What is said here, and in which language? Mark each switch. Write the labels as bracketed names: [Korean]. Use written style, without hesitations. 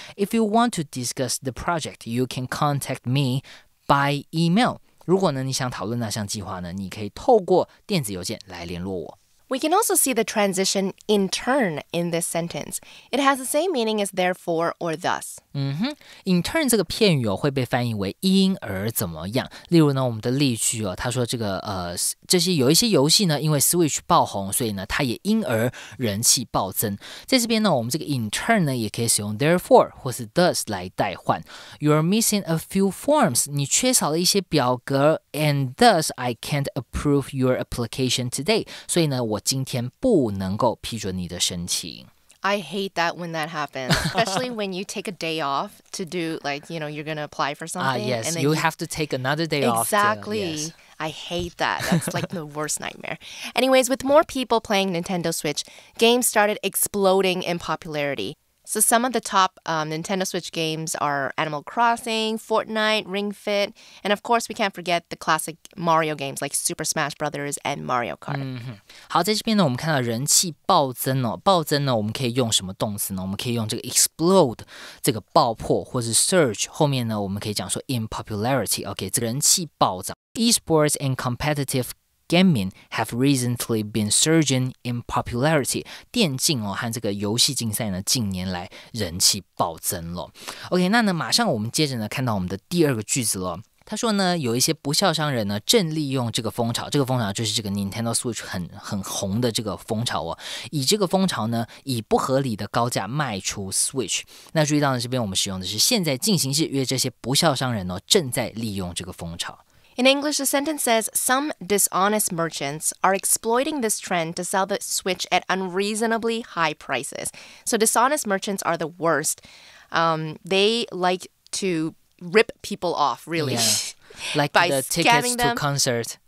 [English] If you want to discuss the project, you can contact me by email. [Chinese] 如果呢你想讨论那项计划呢，你可以透过电子邮件来联络我。 [English] We can also see the transition in turn in this sentence. It has the same meaning as therefore or thus. [Chinese] In turn 这个片语哦会被翻译为因而怎么样。例如呢我们的例句哦，他说这个这些有一些游戏呢因为 Switch 爆红，所以呢它也因而人气暴增。在这边呢我们这个 in turn 呢也可以使用 therefore 或是 thus 来代换。 [English] You're missing a few forms. [Chinese] 你缺少了一些表格。 [English] And thus I can't approve your application today. [Chinese] 所以呢我今天不能够批准你的申请。 [English] I hate that when that happens, especially when you take a day off to do, like, you know, you're going to apply for something. Yes, and then you have to take another day exactly. off. Yes. I hate that. That's like the worst nightmare. Anyways, with more people playing Nintendo Switch, games started exploding in popularity. So some of the top Nintendo Switch games are Animal Crossing, Fortnite, Ring Fit, and of course we can't forget the classic Mario games like Super Smash Brothers and Mario Kart. [Chinese] 好，在这边呢，我们看到人气暴增哦，暴增呢，我们可以用什么动词呢？我们可以用这个 explode， 这个爆破，或是 surge， 后面呢，我们可以讲说 in popularity， OK， 这个人气暴涨。 [English] Esports and competitive gaming have recently been surging in popularity. [Chinese] 电竞哦和这个游戏竞赛呢，近年来人气暴增了。 OK， 那呢，马上我们接着呢看到我们的第二个句子了。他说呢，有一些不孝商人呢，正利用这个风潮，这个风潮就是这个 Nintendo Switch 很红的这个风潮哦，以这个风潮呢，以不合理的高价卖出 Switch。那注意到呢，这边我们使用的是现在进行式，因为这些不孝商人呢，正在利用这个风潮。 [English] In English, the sentence says, some dishonest merchants are exploiting this trend to sell the Switch at unreasonably high prices. So dishonest merchants are the worst. They like to rip people off, really. Yeah. Like by the tickets to concert.